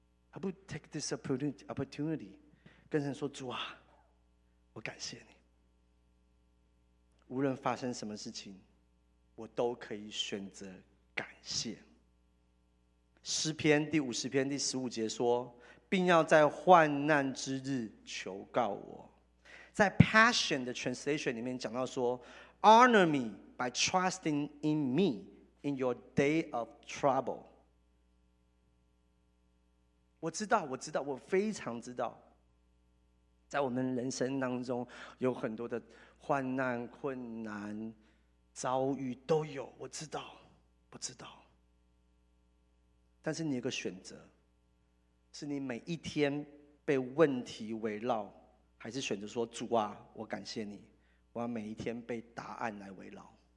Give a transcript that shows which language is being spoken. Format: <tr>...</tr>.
<en>I would take this opportunity</en> <zh>跟神说，主啊，我感谢你，无论发生什么事情我都可以选择感谢。诗篇第五十篇第十五节说，并要在患难之日求告我。</zh> <en>在 Passion 的 translation</en> <zh>里面讲到说，</zh> <en>Honor me by trusting in me in your day of trouble。</en> <zh>我知道，我知道，我非常知道，在我们人生当中有很多的患难、困难、遭遇都有。我知道，我知道。但是你有个选择，是你每一天被问题围绕，还是选择说主啊，我感谢你，我要每一天被答案来围绕。</zh>